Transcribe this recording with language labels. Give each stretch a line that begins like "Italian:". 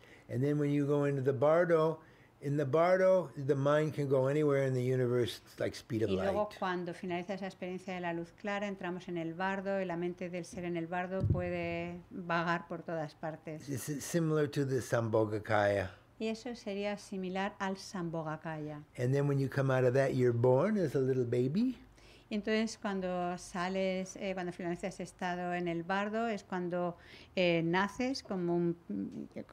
English: And then, when you go into the bardo, in the bardo, the mind can go anywhere in the universe, like speed of light.
Spanish: Y luego, cuando finaliza esa experiencia de la luz clara, entramos en el bardo, y la mente del ser en el bardo puede vagar por todas partes.
English: It's similar to the Sambhogakaya.
Spanish: Y eso sería similar al Sambhogakaya.
English: And then when you come out of that, you're born as a little baby.
Spanish: Y entonces, cuando sales, cuando finalizas estado en el bardo, es cuando naces como un...